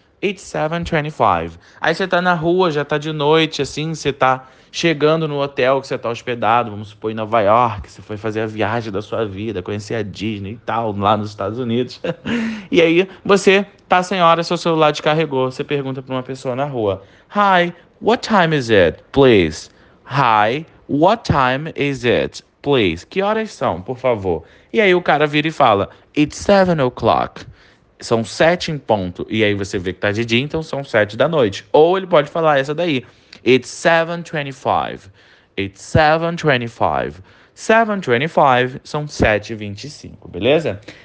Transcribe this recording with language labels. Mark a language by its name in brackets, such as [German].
[English] It's 7:25. [Portuguese] Aí você tá na rua, já tá de noite, assim, você tá chegando no hotel que você tá hospedado, vamos supor, em Nova York, você foi fazer a viagem da sua vida, conhecer a Disney e tal, lá nos Estados Unidos. E aí você tá sem hora, seu celular descarregou, você pergunta pra uma pessoa na rua: [English] Hi, what time is it, please? Hi, what time is it, please? [Portuguese] Que horas são, por favor? E aí o cara vira e fala: [English] It's 7 o'clock. [Portuguese] São 7 em ponto, e aí você vê que tá de dia, então são 7 da noite. Ou ele pode falar essa daí: [English] It's 7:25. It's 7:25. [Portuguese] 7:25 são 7:25, beleza?